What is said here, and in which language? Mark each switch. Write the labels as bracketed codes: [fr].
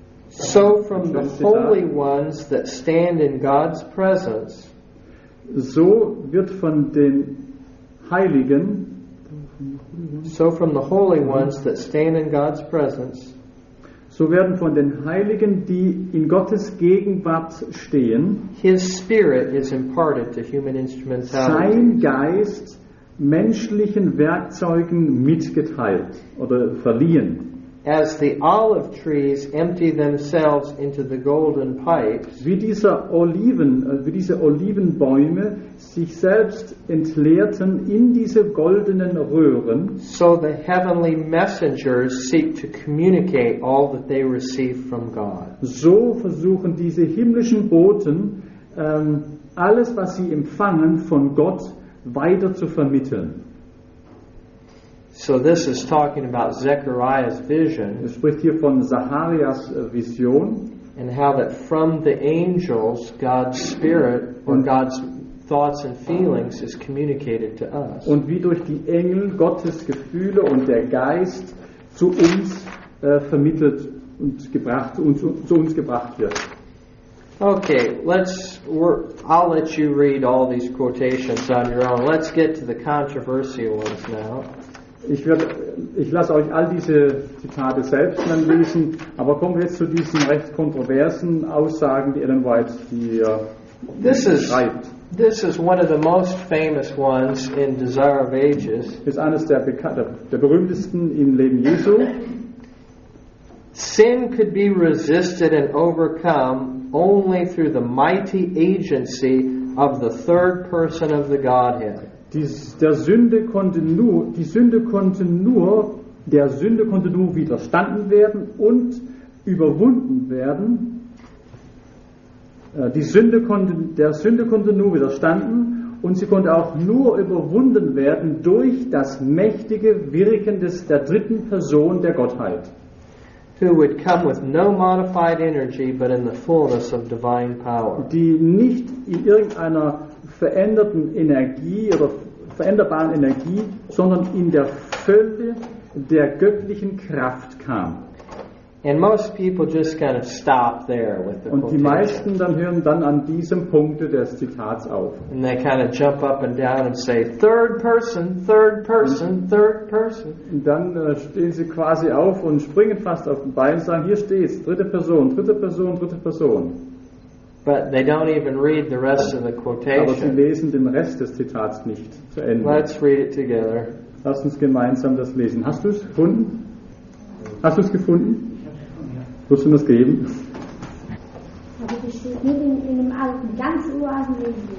[en] So from the holy ones that stand in God's presence. [de] So wird von den Heiligen, [en] so from the holy ones that stand in God's presence, [de] so werden von den Heiligen, die in Gottes Gegenwart stehen, [en] his spirit is imparted to human instrumentality. [de] Sein Geist menschlichen Werkzeugen mitgeteilt oder verliehen. [en] As the olive trees empty themselves into the golden pipes, [de] wie diese Olivenbäume sich selbst entleerten in diese goldenen Röhren, [en] so the heavenly messengers seek to communicate all that they receive from God. [de] So versuchen diese himmlischen Boten alles, was sie empfangen von Gott, weiter zu vermitteln. [en] So this is talking about Zechariah's vision. [de] Es spricht hier von Zacharias Vision. [en] And how that from the angels, God's spirit or God's thoughts and feelings is communicated to us. [de] Und wie durch die Engel Gottes Gefühle und der Geist zu uns vermittelt und gebracht und zu uns gebracht wird. [en] Okay, I'll let you read all these quotations on your own. Let's get to the controversial ones now. [de] Ich lasse euch all diese Zitate selbst dann lesen, aber kommen wir jetzt zu diesen recht kontroversen Aussagen, die Ellen White hier schreibt. [en] This is one of the most famous ones in Desire of Ages. [de] Ist eines der berühmtesten im Leben Jesu. [en] Sin could be resisted and overcome only through the mighty agency of the third person of the Godhead. [de] Der Sünde konnte nur widerstanden werden und überwunden werden. Der Sünde konnte nur widerstanden und sie konnte auch nur überwunden werden durch das mächtige Wirken der dritten Person der Gottheit. [en] Who would come with no modified energy, but in the fullness of divine power. [de] Die nicht in irgendeiner veränderten Energie oder veränderbaren Energie, sondern in der Fülle der göttlichen Kraft kam. [en] And most people just kind of stop there with the [de] Und die meisten dann hören dann an diesem Punkte des Zitats auf. [en] And they kind of jump up and down and say, third person, third person, third person. [de] Und dann stehen sie quasi auf und springen fast auf den Beinen und sagen, hier steht's, dritte Person, dritte Person, dritte Person. [en] But they don't even read the rest of the quotation. [de] Aber sie lesen den Rest des Zitats nicht zu Ende. [en] Let's read it together. [de] Lass uns gemeinsam das lesen. Hast du es gefunden? Hast du es gefunden? Willst du mir das geben? Aber das steht nicht in dem alten, ganz uralten Leben.